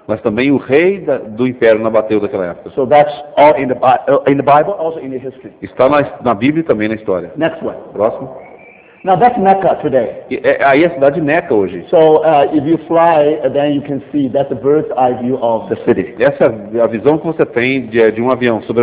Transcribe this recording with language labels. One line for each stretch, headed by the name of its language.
Portuguese: Mas também o rei do Império Nabateu daquela época.
English: So that's all in the Bible, also in the history.
Portuguese: Está na Bíblia e também na história.
English: Next one.
Portuguese: Próximo.
English: Now that's Mecca today.
Portuguese: Aí é a cidade de Mecca hoje.
English: So if you fly, then you can see that's the bird's eye view of the city.
Portuguese: Essa é a visão que você tem de um avião sobre